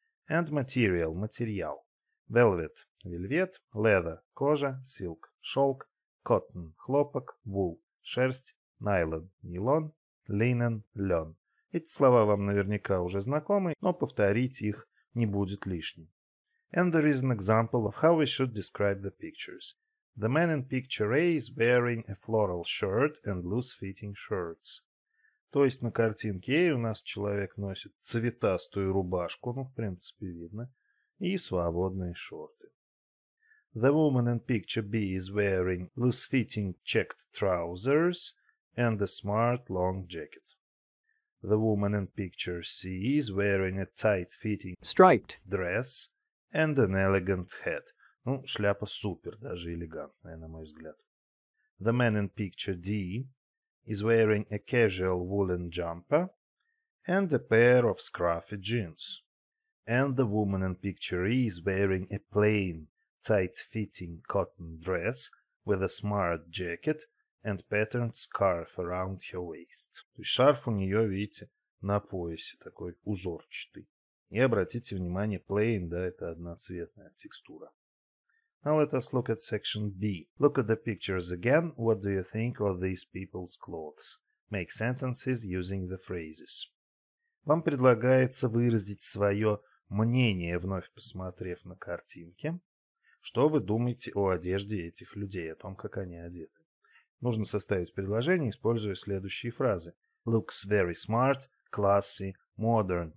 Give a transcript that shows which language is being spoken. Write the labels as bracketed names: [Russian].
[English] And material – материал. Velvet – вельвет. Leather – кожа. Silk – шелк. Cotton – хлопок. Wool – шерсть. Nylon – нейлон. Linen – лен. [Russian] Эти слова вам наверняка уже знакомы, но повторить их не будет лишним. [English] And there is an example of how we should describe the pictures. The man in picture A is wearing a floral shirt and loose-fitting shorts. [Russian] То есть на картинке A у нас человек носит цветастую рубашку, ну, в принципе, видно, и свободные шорты. [English] The woman in picture B is wearing loose-fitting checked trousers and a smart long jacket. The woman in picture C is wearing a tight-fitting striped dress and an elegant hat. [Russian] Ну, шляпа супер, даже элегантная, на мой взгляд. [English] The man in picture D is wearing a casual woolen jumper and a pair of scruffy jeans. And the woman in picture E is wearing a plain, tight-fitting cotton dress with a smart jacket and patterned scarf around her waist. [Russian] То есть шарф у нее, видите, на поясе, такой узорчатый. И обратите внимание, plain, да, это одноцветная текстура. [English] Now let us look at section B. Look at the pictures again. What do you think of these people's clothes? Make sentences using the phrases. [Russian] Вам предлагается выразить свое мнение, вновь посмотрев на картинки. Что вы думаете о одежде этих людей, о том, как они одеты? Нужно составить предложение, используя следующие фразы. [English] Looks very smart, classy, modern.